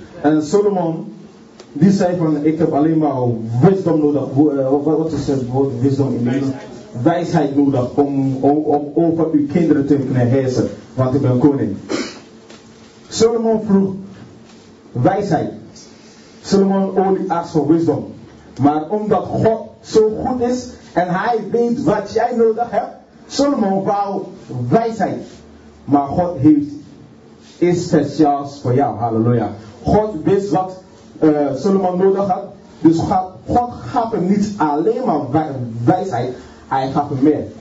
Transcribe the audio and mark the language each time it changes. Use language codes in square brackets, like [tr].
[nl] En Solomon, die zei van, ik heb alleen maar wisdom nodig. Wat is het woord wisdom in Nederland? Wijsheid nodig om over uw kinderen te kunnen heersen. Want ik ben koning. Solomon vroeg wijsheid. [en] Solomon only asked for wisdom. [nl] Maar omdat God zo goed is en hij weet wat jij nodig hebt, Solomon wou wijsheid. Maar God heeft iets speciaals voor jou. Halleluja. God wist wat Solomon nodig had. Dus God gaf hem niet alleen maar wijsheid. Hij gaf hem meer.